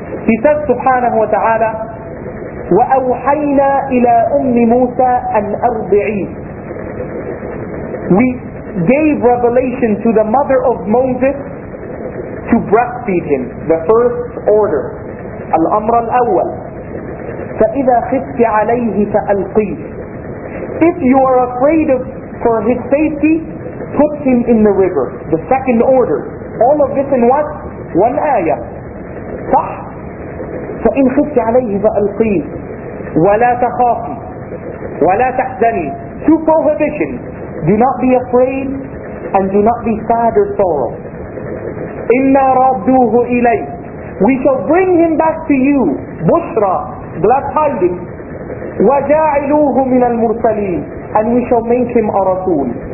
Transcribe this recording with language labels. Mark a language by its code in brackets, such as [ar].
[en] He says subhanahu wa ta'ala, [ar] وَأَوْحَيْنَا إِلَىٰ أُمِّ مُوسَىٰ أَنْ أَرْضِعِيهِ [en] We gave revelation to the mother of Moses to breastfeed him, the first order, [ar] الأمر الأول. فَإِذَا خِفْتِ عَلَيْهِ فَأَلْقِيهِ [en] If you are afraid of for his safety, put him in the river. The second order. All of this in what? One ayah. [ar] صح؟ فَإِنْ خِفْتِ عَلَيْهِ فَأَلْقِيهِ وَلَا تَخَافِي وَلَا تَحْزَنِي [en] Two prohibitions. Do not be afraid and do not be sad or sorrow. [ar] إِنَّا رَدُّوهُ إِلَيْهِ [en] We shall bring him back to you. Bushra. Glad tidings. [ar] وَجَاعِلُوهُ مِنَ الْمُرْسَلِينَ [en] And we shall make him a Rasul.